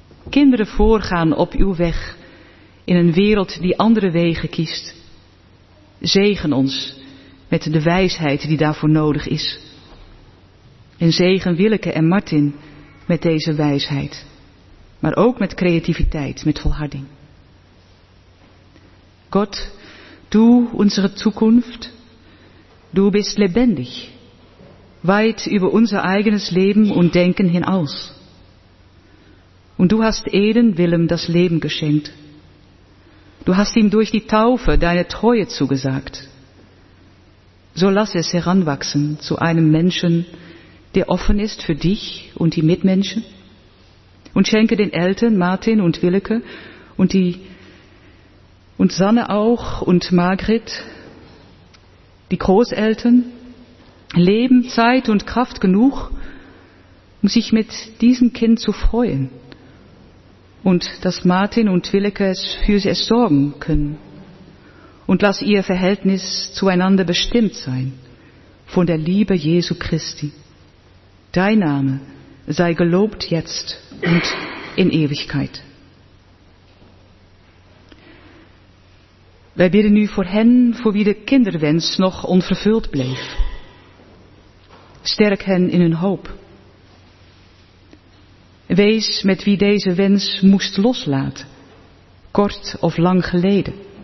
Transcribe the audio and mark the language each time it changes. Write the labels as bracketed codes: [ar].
[nl] Kinderen voorgaan op uw weg in een wereld die andere wegen kiest. Zegen ons met de wijsheid die daarvoor nodig is. En zegen Willeke en Martin met deze wijsheid, maar ook met creativiteit, met volharding. [de] God, du unsere Zukunft, du bist lebendig, weit über unser eigenes Leben und Denken hinaus. Und du hast Eden Willem das Leben geschenkt. Du hast ihm durch die Taufe deine Treue zugesagt. So lass es heranwachsen zu einem Menschen, der offen ist für dich und die Mitmenschen. Und schenke den Eltern Martin und Willeke und Sanne auch und Margret, die Großeltern, Leben, Zeit und Kraft genug, um sich mit diesem Kind zu freuen. Und dass Martin und Willeke für sie es sorgen können. Und lass ihr Verhältnis zueinander bestimmt sein von der Liebe Jesu Christi. Dein Name sei gelobt jetzt und in Ewigkeit. [nl] Wij bidden nu voor hen voor wie de kinderwens nog onvervuld bleef. Sterk hen in hun hoop. Wees met wie deze wens moest loslaten, kort of lang geleden.